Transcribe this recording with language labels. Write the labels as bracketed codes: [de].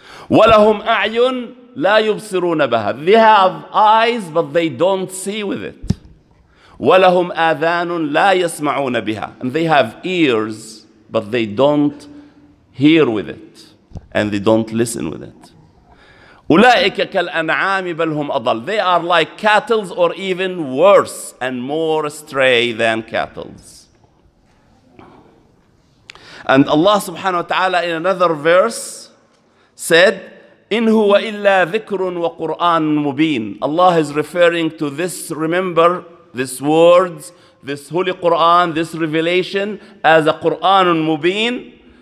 [ar] وَلَهُمْ أَعْيُنْ لَا يُبْصِرُونَ بِهَا. [en] They have eyes, but they don't see with it. [ar] وَلَهُمْ آذَانٌ لَا يَسْمَعُونَ بِهَا. [en] And they have ears, but they don't hear with it. And they don't listen with it. [ar] أولئك كالأنعام بل هم أضل. [en] They are like cattle, or even worse and more stray than cattle. And Allah subhanahu wa ta'ala in another verse said, [ar] إن هو إلا ذكر وقرآن مبين. [en] Allah is referring to this, remember, this words, this holy Quran, this revelation as a Quran مبين.